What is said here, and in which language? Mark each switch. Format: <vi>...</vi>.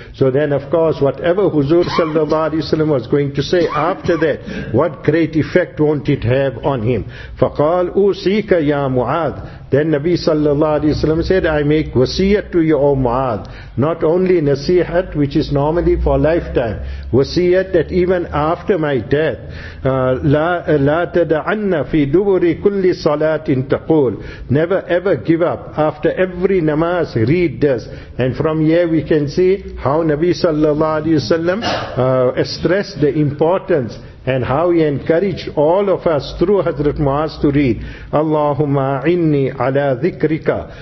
<en>So then of course, whatever Huzur sallallahu alayhi wasallam was going to say after that, what great effect won't it have on him?</en> <ar>Faqal usika ya Mu'adh.</ar> <en>Then Nabi sallallahu alayhi wasallam said, I make wasiyat to you, O Mu'adh. Not only nasihat, which is normally for lifetime. Wasiyat that even after my death,</en> <ar>لا تدعن في دبر كل صلاة تقول.</ar> <en>Never ever give up. After every namaz, read this. And from here we can see how Nabi sallallahu alayhi wasallam stressed the importance and how he encouraged all of us through Hazrat Muaz to read,</en> <ar>Allahumma inni ala dhikrika.</ar>